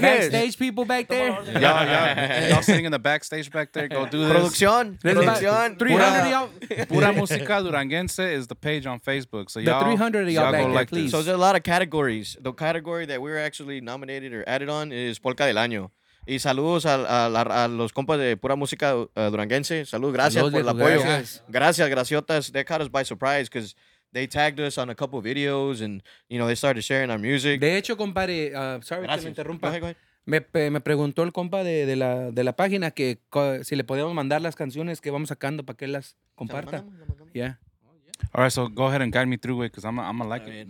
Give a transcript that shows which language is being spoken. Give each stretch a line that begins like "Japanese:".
English: Backstage people back there. Y'all sitting in the backstage back there. Go do this.
Spanish: Producción.
English: 300 of y'all. Pura música duranguense is the page on Facebook. So y'all, the 300 of y'all, y'all back there, like please. So there's a lot of categories. The category that we were actually nominated or added on is Polka del Año.
Spanish: Y saludos a los compas de pura música duranguense. Saludos, gracias por el apoyo. Gracias, graciotas.
English: They caught us by surprise because they tagged us on a couple of videos and, you know, they started sharing our music.
Spanish: De hecho, compadre, sorry que me interrumpa. Me preguntó el compa de la página que si le podíamos mandar las canciones que vamos sacando para que él las comparta.
English: Yeah. All right, so go ahead and guide me through it because I'm like it.